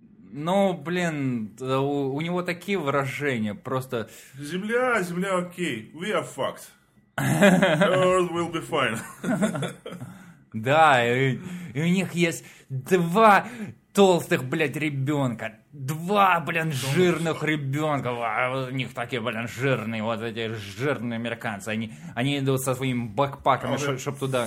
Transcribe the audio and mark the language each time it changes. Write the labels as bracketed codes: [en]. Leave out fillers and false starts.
[ru] Ну, блин, у него такие выражения, просто... [en] Земля, окей, we are fucked. The earth will be fine. [ru] Да, и у них есть два толстых, блядь, ребенка. Два, блин, жирных ребенка. А у них такие, блин, жирные. Вот эти жирные американцы. Они идут со своим бэкпаком, чтоб туда.